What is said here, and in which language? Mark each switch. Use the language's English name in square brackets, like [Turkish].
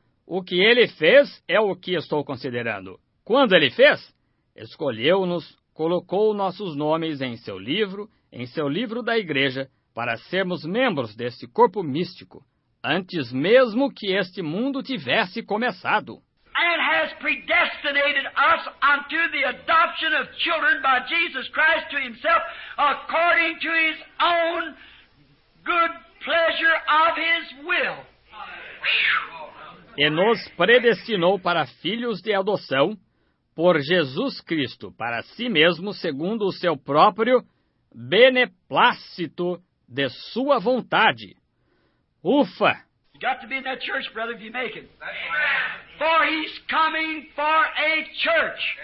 [Portuguese] O que ele fez é o que estou considerando. Quando ele fez? Escolheu-nos, colocou nossos nomes em seu livro da igreja, para sermos membros deste corpo místico, antes mesmo que este mundo tivesse começado. [English] And has predestinated us unto the adoption of children by Jesus Christ to himself, according to his own good pleasure of his will. [Portuguese] E nos predestinou para filhos de adoção por Jesus Cristo, para si mesmo, segundo o seu próprio beneplácito de sua vontade. Ufa! [English] You got to be in that church, brother, if you make it. That's right. For he's coming for a church.